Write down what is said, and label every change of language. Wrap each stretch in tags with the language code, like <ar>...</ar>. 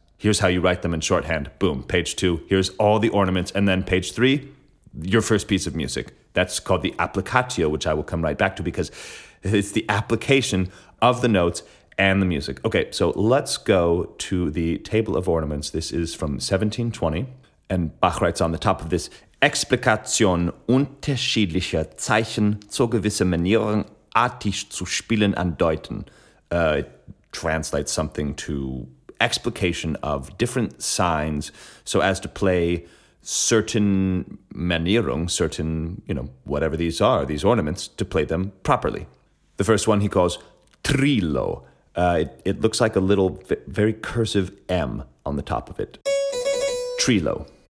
<en>Here's how you write them in shorthand. Boom. Page two, here's all the ornaments. And then page three, your first piece of music. That's called the applicatio, which I will come right back to because it's the application of the notes and the music. Okay, so let's go to the table of ornaments. This is from 1720. And Bach writes on the top of this,</en> <de>Explikation unterschiedlicher Zeichen zur gewissen Manieren artig zu spielen andeuten.</de> <en>Translates something to explication of different signs so as to play certain manierung, certain, you know, whatever these are, these ornaments, to play them properly. The first one he calls trillo. It looks like a little very cursive M on the top of it. Trillo.</en>